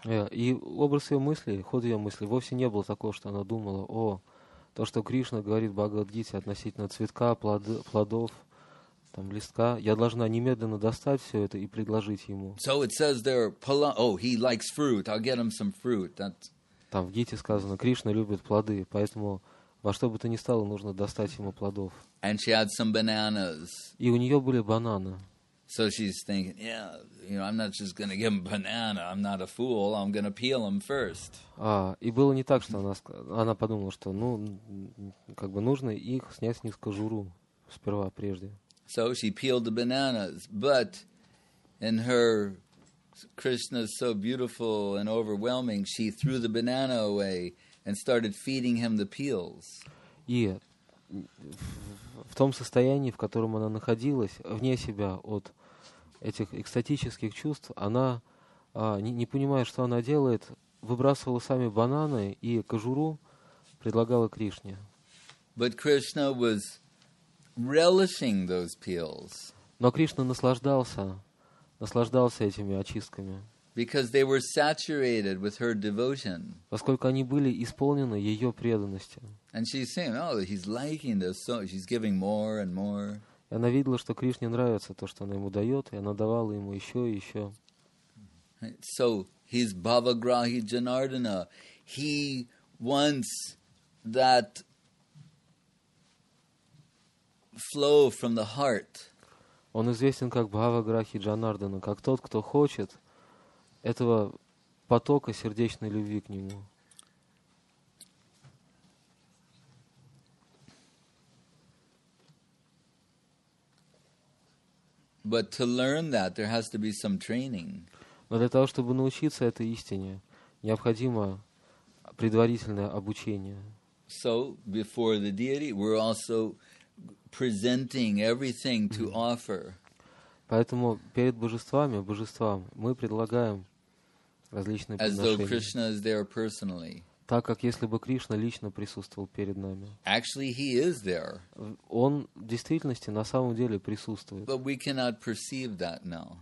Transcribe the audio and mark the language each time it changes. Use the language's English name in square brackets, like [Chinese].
[Russian] И образ ее мысли, ход ее мысли, вовсе не был такого, что она думала, о, то, что Кришна говорит в Бхагавад-гите относительно цветка, плодов, там, листка, я должна немедленно достать все это и предложить ему. [English] So it says there, he likes fruit, I'll get him some fruit. [Russian] Там в Гите сказано, Кришна любит плоды, поэтому во что бы то ни стало, нужно достать ему плодов. [English] And she had some bananas. [Russian] И у нее были бананы. [English] So she's thinking, yeah, you know, I'm not just going to give him banana. I'm not a fool. I'm going to peel him first. [Russian] И было не так, что она подумала, что, ну, как бы нужно их снять с них кожуру сперва, прежде. [English] So she peeled the bananas, but in her Krishna is so beautiful and overwhelming, she threw the banana away and started feeding him the peels. Yeah. [Russian] В том состоянии, в котором она находилась, вне себя от этих экстатических чувств, она, не понимая, что она делает, выбрасывала сами бананы и кожуру, предлагала Кришне. [English] But Krishna was relishing those peels. [Russian] Но Кришна наслаждался этими очистками. [English] Because they were saturated with her devotion. [Russian] Поскольку они были исполнены ее преданностью. [English] And she's saying, "Oh, he's liking this, so she's giving more and more." [Russian] И она видела, что Кришне нравится то, что она ему дает, и она давала ему еще и еще. [English] So he's Bhavagrahi Janardana. He wants that flow from the heart. [Russian] Он известен как Бхаваграхи Джанардана, как тот, кто хочет этого потока сердечной любви к нему. [English] But to learn that, there has to be some training. [Russian] Но для того, чтобы научиться этой истине, необходимо предварительное обучение. [English] So before the deity, we're also presenting everything to offer. [Russian] Поэтому перед божествам, мы предлагаем различные подношения. Так как если бы Кришна лично присутствовал перед нами. [English] Actually, he is there. [Russian] Он в действительности на самом деле присутствует. [English] But we cannot perceive that now.